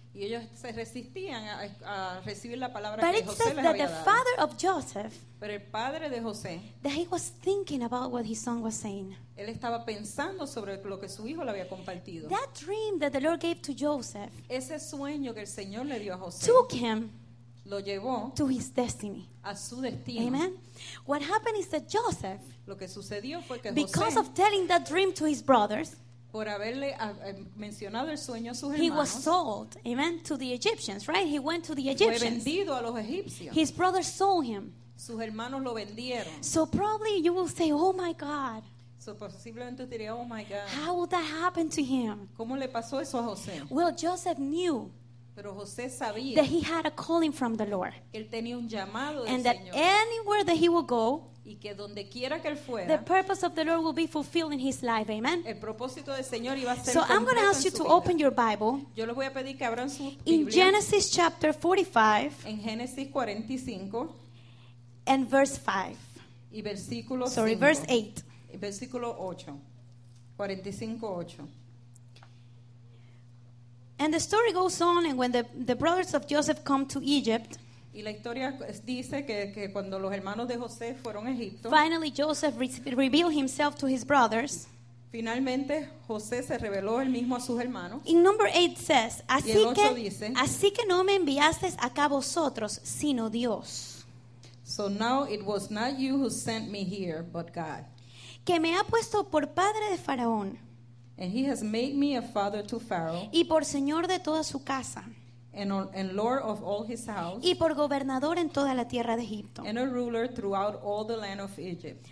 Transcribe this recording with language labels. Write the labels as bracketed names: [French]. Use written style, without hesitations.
[Spanish] Y ellos se resistían a recibir la palabra [English] but [Spanish] que José les había dado. [English] But it says that the father of Joseph, [Spanish] pero el padre de José, [English] that he was thinking about what his son was saying. [Spanish] Él estaba pensando sobre lo que su hijo le había compartido. [English] That dream that the Lord gave to Joseph, [Spanish] ese sueño que el Señor le dio a José, [English] took him [Spanish] lo llevó [English] to his destiny. [Spanish] A su destino. [English] Amen. What happened is that Joseph, [Spanish] lo que sucedió fue que [English] because [Spanish] José, [English] of telling that dream to his brothers, [Spanish] por haberle mencionado el sueño a sus hermanos, [English] he was sold, amen, to the Egyptians, right? He went to the Egyptians. [Spanish] Fue vendido a los egipcios. [English] His brothers sold him. [Spanish] Sus hermanos lo vendieron. [English] So probably you will say, oh my God. [Spanish] So posiblemente diría, [English] oh my God. How would that happen to him? [Spanish] ¿Cómo le pasó eso a José? [English] Well, Joseph knew. [Spanish] Pero José sabía [English] that he had a calling from the Lord. [Spanish] Él tenía un llamado del [English] and that [Spanish] Señor. [English] Anywhere that he will go, [Spanish] y que dondequiera que él fuera, [English] the purpose of the Lord will be fulfilled in his life. Amen. [Spanish] El propósito del Señor iba a ser [English] so I'm going to ask you to open your Bible. [Spanish] Yo les voy a pedir que abran su [English] in [Spanish] Biblia. [English] Genesis chapter 45. [Spanish] En Génesis 45. [English] And verse 5. [Spanish] Y versículo [English] sorry, [Spanish] 5. [English] Verse 8. [Spanish] Y versículo 8. 45:8. [English] And the story goes on, and when the brothers of Joseph come to Egypt, [Spanish] y la historia dice que cuando los hermanos de José fueron a Egipto, [English] finally Joseph revealed himself to his brothers. [Spanish] Finalmente José se reveló él mismo a sus hermanos. [English] In number 8 says, [Spanish] así el 8 que dice, así que no me enviaste acá vosotros, sino Dios. [English] So now it was not you who sent me here, but God. [Spanish] Que me ha puesto por padre de Faraón. [English] And he has made me a father to Pharaoh. [Spanish] Y por señor de toda su casa. [English] And lord of all his house. [Spanish] Y por gobernador en toda la tierra de Egipto. [English] And a ruler throughout all the land of Egypt.